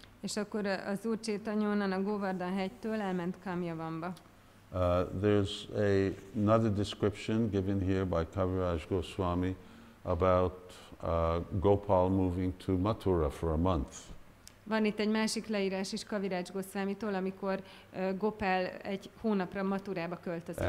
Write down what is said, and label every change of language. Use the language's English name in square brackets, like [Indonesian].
[Hungarian] És akkor az Úr Caitanya a Govardhan hegytől elment Kamyavanba. [English] There's another description given here by Kaviraj Goswami about Gopal moving to Mathura for a month. [Hungarian] Van itt egy másik leírás is Kaviraj Goswamitól, amikor Gopal egy hónapra Mathurába költözött.